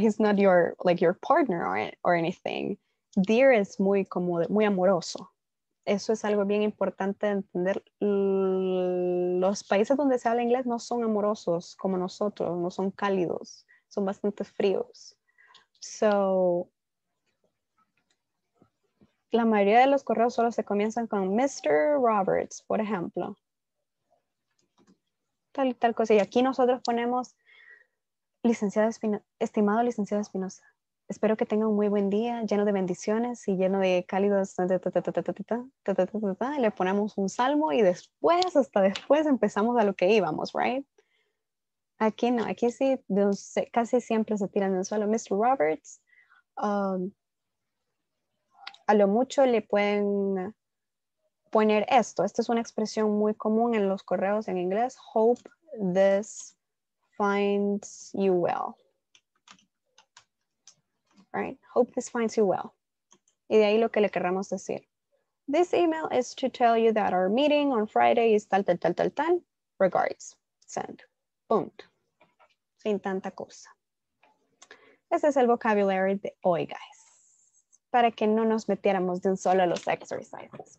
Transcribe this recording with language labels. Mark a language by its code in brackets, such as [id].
[en] He's not your, like your partner or anything. [es] Dear es muy como, muy amoroso. Eso es algo bien importante de entender. Los países donde se habla inglés no son amorosos como nosotros, no son cálidos, son bastante fríos. So, la mayoría de los correos solo se comienzan con Mr. Roberts, por ejemplo. Tal y tal cosa. Y aquí nosotros ponemos, licenciado Espinosa, estimado licenciado Espinosa. Espero que tenga un muy buen día, lleno de bendiciones y lleno de cálidos. Le ponemos un salmo y después, hasta después, empezamos a lo que íbamos, right? Aquí no, aquí sí, casi siempre se tiran del suelo. Mr. Roberts, a lo mucho le pueden poner esto. Esta es una expresión muy común en los correos en inglés. [en] Hope this finds you well. Right. Hope this finds you well. [es] Y de ahí lo que le querramos decir. [en] This email is to tell you that our meeting on Friday is [es] tal, tal, tal, tal, tal. [en] Regards. Send. [es] Punto. Sin tanta cosa. Ese es el vocabulary de hoy, guys. Para que no nos metiéramos de un solo a los exercises.